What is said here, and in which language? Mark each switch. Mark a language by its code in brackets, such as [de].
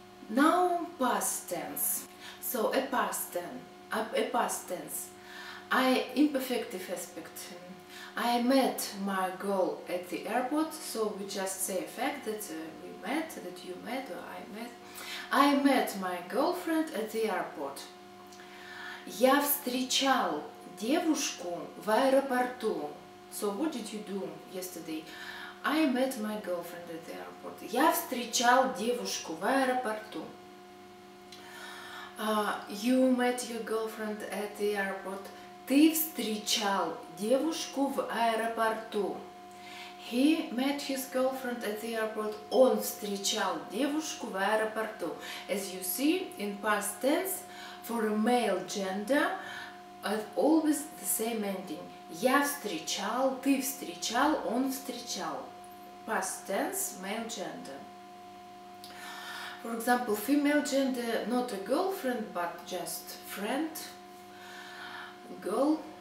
[en] Now, past tense. So, a past tense. I imperfective aspect. I met my girl at the airport. So, we just say a fact that we met, that you met, or I met. I met my girlfriend at the airport. [ru] Я встречал девушку в аэропорту. [en] So, what did you do yesterday? I met my girlfriend at the airport. [ru] Я встречал девушку в аэропорту. [en] You met your girlfriend at the airport. [ru] Ты встречал девушку в аэропорту. [en] He met his girlfriend at the airport. [ru] Он встречал девушку в аэропорту. [en] As you see, in past tense, for a male gender, always the same ending. [ru] Я встречал, ты встречал, он встречал. [en] Past tense, male gender. For example, female gender, not a girlfriend, but just friend, girl.